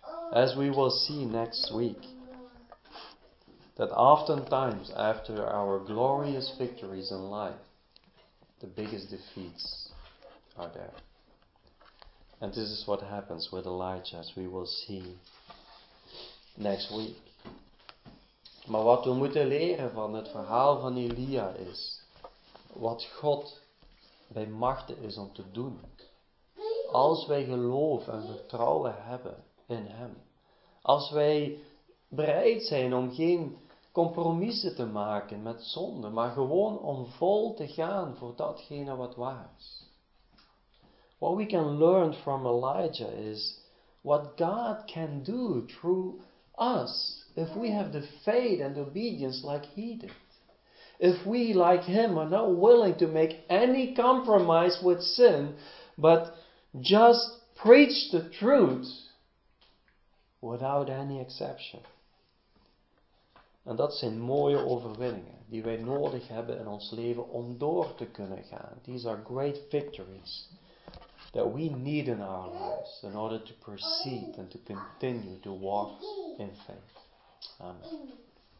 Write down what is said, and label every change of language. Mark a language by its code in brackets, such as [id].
[en] As we will see next week, that oftentimes after our glorious victories in life, the biggest defeats are there. And this is what happens with Elijah, as we will see next week. [nl] Maar wat we moeten leren van het verhaal van Elia is, wat God bij machte is om te doen. Als wij geloof en vertrouwen hebben in hem. Als wij bereid zijn om geen compromissen te maken met zonde, maar gewoon om vol te gaan voor datgene wat waar is. [en] What we can learn from Elijah is what God can do through us, if we have the faith and obedience like he did. If we, like him, are not willing to make any compromise with sin, but just preach the truth without any exception. [nl] En dat zijn mooie overwinningen die wij nodig hebben in ons leven om door te kunnen gaan. [en] These are great victories that we need in our lives in order to proceed and to continue to walk in faith. Amen.